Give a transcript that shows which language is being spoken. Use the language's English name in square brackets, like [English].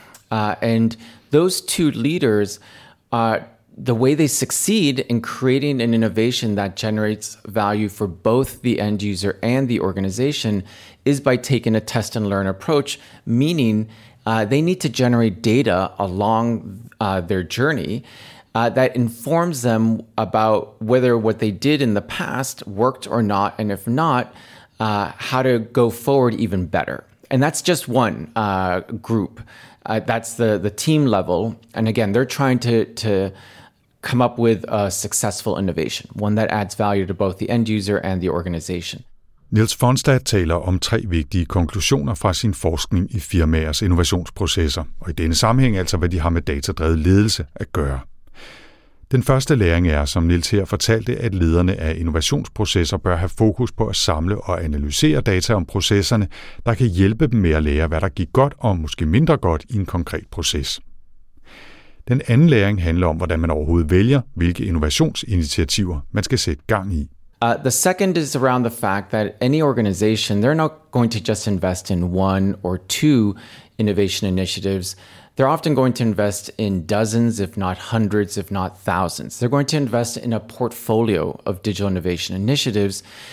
[English] And those two leaders, the way they succeed in creating an innovation that generates value for both the end user and the organization is by taking a test and learn approach, meaning they need to generate data along their journey that informs them about whether what they did in the past worked or not, and if not, how to go forward even better. And that's just one group. That's the team level. And again, they're trying to come up with a successful innovation, one that adds value to both the end user and the organization. [Danish] Niels Fonstad taler om tre vigtige konklusioner fra sin forskning i firmaers innovationsprocesser, og i denne sammenhæng altså, hvad de har med datadrevet ledelse at gøre. Den første læring er, som Niels her fortalte, at lederne af innovationsprocesser bør have fokus på at samle og analysere data om processerne, der kan hjælpe dem med at lære, hvad der gik godt og måske mindre godt i en konkret proces. Den anden læring handler om, hvordan man overhovedet vælger, hvilke innovationsinitiativer man skal sætte gang i. [English] The second is around the fact that any organization, they're not going to just invest in one or two innovation initiatives. They're often going to invest in dozens, if not hundreds, if not thousands. They're going to invest in a portfolio of digital innovation initiatives.